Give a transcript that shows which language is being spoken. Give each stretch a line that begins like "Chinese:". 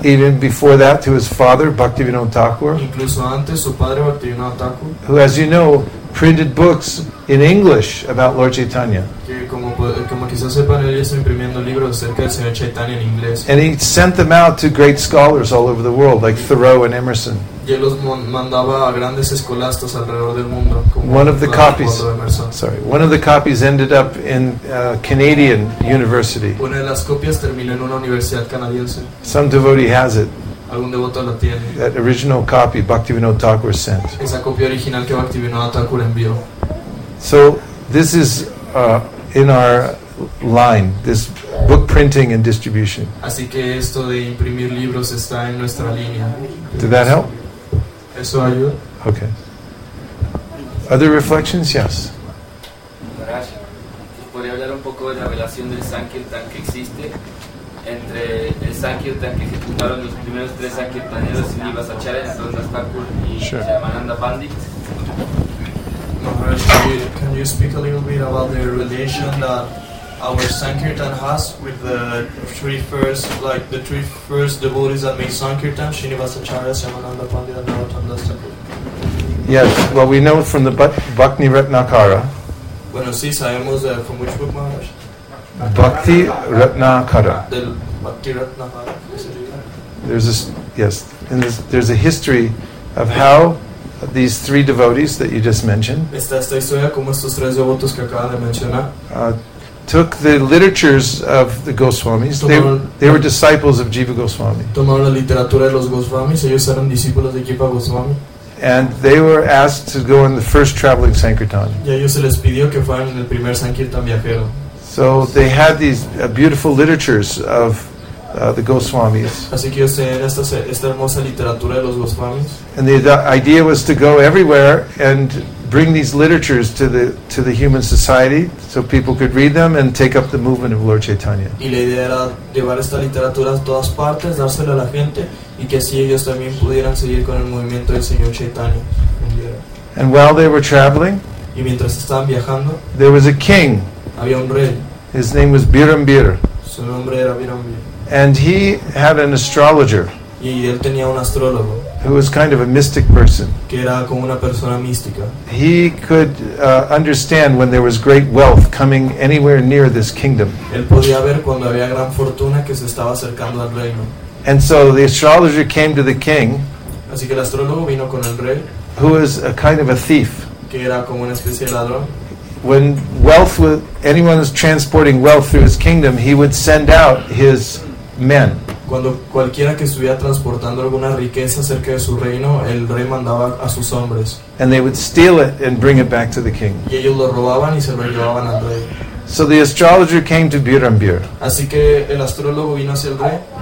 English: Even before that, to his father, Bhaktivinoda Thakur.
Spanish: Incluso antes, su padre, Bhaktivinoda Thakur.
English: Who, as you know, printed books in English about Lord Chaitanya.
Spanish: Como quizás sepan, él está imprimiendo libros acerca del señor Chaitanya en inglés.
English: And he sent them out to great scholars all over the world, like Thoreau and Emerson.
Spanish: Y él los mandaba a grandes escolastas alrededor del mundo.
English: One of the copies ended up in a Canadian university.
Spanish: Una de las copias terminó en una universidad canadiense.
English: Some devotee has it.
Spanish: Algún devoto la tiene.
English: That original copy Bhaktivinoda Thakur sent.
Spanish: Esa copia original que Bhaktivinoda Thakur envió.
English: So this is in our line, this book printing and distribution.
Spanish: Así que esto de imprimir libros está en nuestra línea.
English: Did that help?
Spanish: Eso ayuda.
English: Okay. Other reflections? Yes.
Spanish: ¿Podría hablar un poco de la relación del Sankirtan que existe entre el Sankirtan que ejecutaron los primeros 3 Sankirtaneros y Nivas Acharya, Sondas Thakur y Shyamananda Pandit?
English: Can you speak a little bit about the relation that our Sankirtan has with the three first devotees that made Sankirtan, Srinivasacharya, Shyamananda Pandit, and Narottamdas Thakur? Yes, well, we know from the Bhakti Ratnakara.
Spanish: Bueno, sí, sabemos
English: from which book, Maharaj? Bhakti Ratnakara. Bhakti Ratnakara. There's a history of how these 3 devotees that you just mentioned took the literatures of the Goswamis. They were disciples of Jiva Goswami.
Spanish: Tomaron la literatura de los Goswamis. Ellos eran discípulos de Jiva Goswami.
English: And they were asked to go in the first traveling Sankirtan.
Spanish: Y a ellos se les pidió que fueran en el primer Sankirtan viajero.
English: So they had these beautiful literatures of the Goswamis.
Spanish: Así que ellos tenían esta hermosa literatura de los Goswamis.
English: And the idea was to go everywhere and bring these literatures to the human society so people could read them and take up the movement of Lord Chaitanya.
Spanish: Y la idea era llevar esta literatura a todas partes, dársela a la gente y que así ellos también pudieran seguir con el movimiento del Señor Chaitanya.
English: And while they were traveling,
Spanish: y mientras estaban viajando,
English: there was a king.
Spanish: Había un rey.
English: His name was Birambir.
Spanish: Su nombre era Birambir.
English: And he had an astrologer.
Spanish: Y él tenía un astrólogo.
English: Who was kind of a mystic person.
Spanish: Que era como una persona mística.
English: He could understand when there was great wealth coming anywhere near this kingdom.
Spanish: Él podía ver cuando había gran fortuna que se estaba acercando al reino.
English: And so the astrologer came to the king.
Spanish: Así que el astrólogo vino con el rey.
English: Who was a kind of a thief.
Spanish: Que era como una especie de ladrón.
English: When wealth was, anyone was transporting wealth through his kingdom, he would send out his men.
Spanish: Cuando cualquiera que estuviera transportando alguna riqueza cerca de su reino, el rey mandaba a sus hombres.
English: And they would steal it and bring it back to the king.
Spanish: Y ellos lo robaban y se lo llevaban al rey.
English: So the astrologer came to Birambir.
Spanish: Así que el astrólogo vino hacia el rey.